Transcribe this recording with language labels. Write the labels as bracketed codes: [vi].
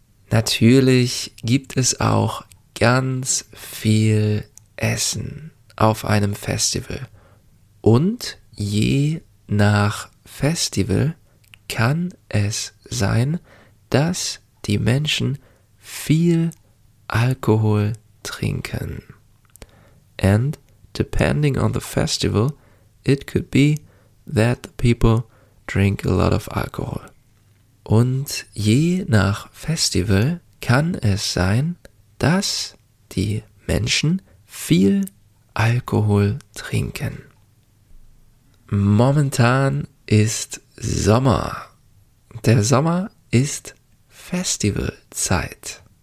[de] Natürlich gibt es auch ganz viel Essen auf einem Festival. Und je nach Festival kann es sein, dass die Menschen viel Alkohol trinken. [en] And depending on the festival, it could be that the people drink a lot of alcohol. [de] Und je nach Festival kann es sein, dass die Menschen viel Alkohol trinken. Momentan ist Sommer. Der Sommer ist Festivalzeit.